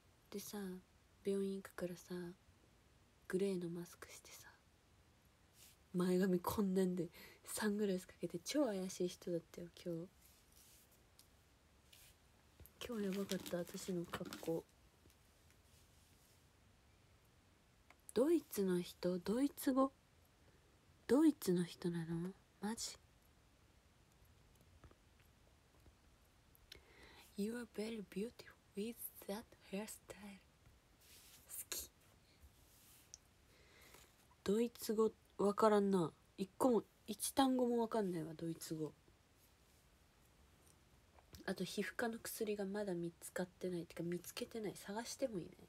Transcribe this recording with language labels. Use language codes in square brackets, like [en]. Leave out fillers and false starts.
[ja] でさ、病院行くからさ、グレーのマスクしてさ、前髪こんなんでサングラスかけて超怪しい人だったよ今日。今日やばかった、私の格好。ドイツの人、ドイツ語、ドイツの人なの、マジ。 [en] You are very beautiful with that hairstyle。 [ja] 好き。ドイツ語ってわからんな。一個も、一単語もわかんないわ、ドイツ語。あと、皮膚科の薬がまだ見つかってない。ってか、見つけてない。探してもいない。